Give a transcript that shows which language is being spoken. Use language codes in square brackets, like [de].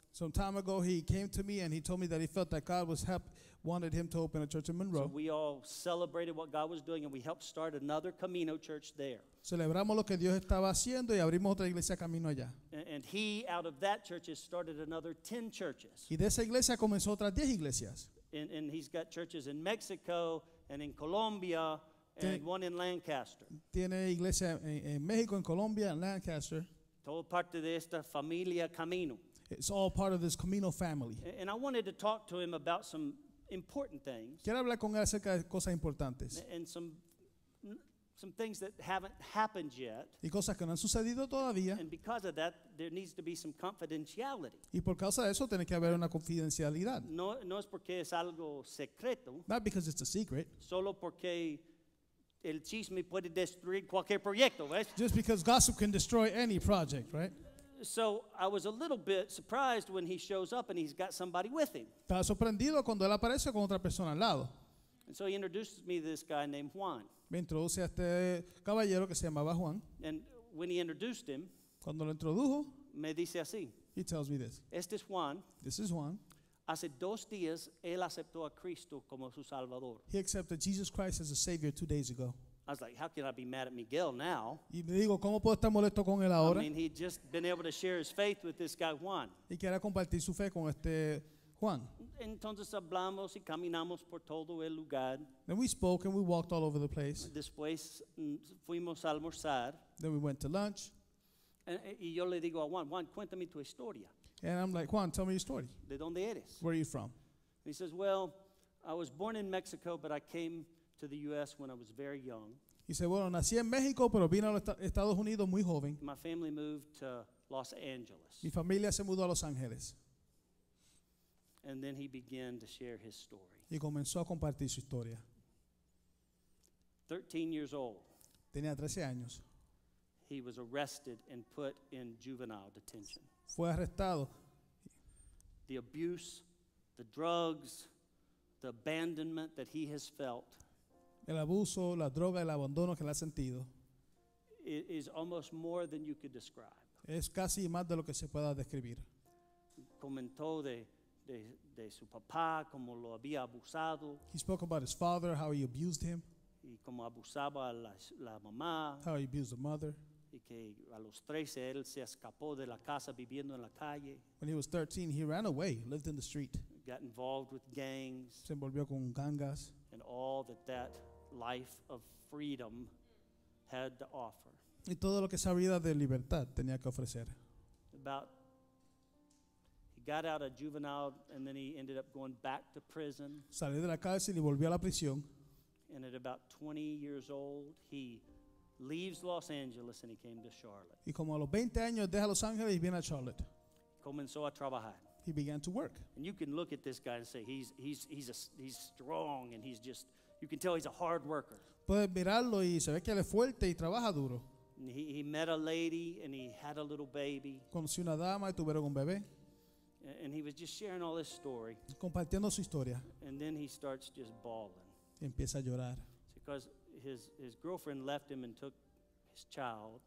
[en] Some time ago, he came to me and he told me that he felt that God was wanted him to open a church in Monroe. So we all celebrated what God was doing, and we helped start another Camino church there. [es] Celebramos lo que Dios estaba haciendo y abrimos otra iglesia camino allá. [en] And he, out of that church, has started another 10 churches. [es] Y de esa iglesia comenzó otras 10 iglesias. [en] And he's got churches in Mexico and in Colombia and one in Lancaster. [es] Tiene iglesia en México, en Colombia, en Lancaster. Todo parte de esta familia Camino. [en] It's all part of this Camino family. And I wanted to talk to him about some important things. [es] Quiero hablar con él acerca de cosas importantes. [en] And some things that haven't happened yet. [es] Y cosas que no han sucedido todavía. [en] And because of that, there needs to be some confidentiality. [es] Y por causa de eso, tiene que haber una confidencialidad. No es porque es algo secreto. [en] Not because it's a secret. [es] Solo porque el chisme puede destruir cualquier proyecto, ¿ves? [en] Just because gossip can destroy any project, right? So I was a little bit surprised when he shows up and he's got somebody with him. [es] Estaba sorprendido cuando él aparece con otra persona al lado. [en] And so he introduces me to this guy named Juan. [es] Me introduce a este caballero que se llamaba Juan. [en] And when he introduced him, [es] cuando lo introdujo, me dice así. [en] He tells me this. [es] Este es Juan. [en] This is Juan. [es] Hace dos días él aceptó a Cristo como su Salvador. [en] He accepted Jesus Christ as a Savior 2 days ago. I was like, how can I be mad at Miguel now? [es] Y me digo, ¿cómo puedo estar molesto con él ahora? [en] I mean, he'd just been able to share his faith with this guy Juan. [es] Y quería compartir su fe con este Juan. Entonces hablamos y caminamos por todo el lugar. [en] Then we spoke and we walked all over the place. [es] Después fuimos a almorzar. [en] Then we went to lunch. [es] Y yo le digo a Juan, cuéntame tu historia. [en] And I'm like, Juan, tell me your story. [es] ¿De dónde eres? [en] Where are you from? He says, well, I was born in Mexico, but I came to the U.S. when I was very young. [es] Y dice, bueno, nací en México, pero vine a los Estados Unidos muy joven. [en] My family moved to Los Angeles. [es] Mi familia se mudó a Los Ángeles. [en] And then he began to share his story. [es] Y comenzó a compartir su historia. [en] 13 years old. [es] Tenía 13 años. [en] He was arrested and put in juvenile detention. [es] Fue arrestado. [en] The abuse, the drugs, the abandonment that he has felt. [es] El abuso, la droga, el abandono que le ha sentido. [en] It is almost more than you could describe. [es] Es casi más de lo que se pueda describir. Comentó de su papá, como lo había abusado. [en] He spoke about his father, how he abused him. [es] Y como abusaba a la mamá. [en] How he abused the mother. [es] Y que a los 13 él se escapó de la casa viviendo en la calle. [en] When he was 13, he ran away, lived in the street. Got involved with gangs. [es] Se envolvió con gangas. [en] And all that life of freedom had to offer. [es] Y todo lo que esa vida de libertad tenía que ofrecer. [en] About, he got out of juvenile and then he ended up going back to prison. [es] Salió de la cárcel y volvió a la prisión. [en] And at about 20 years old, he leaves Los Angeles and he came to Charlotte. [es] Y como a los 20 años deja Los Ángeles y viene a Charlotte. Comenzó a trabajar. [en] He began to work. And you can look at this guy and say he's strong and he's just, you can tell he's a hard worker. [es] Puedes mirarlo y se ve que él es fuerte y trabaja duro. [en] He met a lady and he had a little baby. [es] Conoció una dama y tuvieron un bebé. [en] And he was just sharing all his story. [es] Compartiendo su historia. [en] And then he starts just bawling. [es] Y empieza a llorar. [en] Because his girlfriend left him and took his child.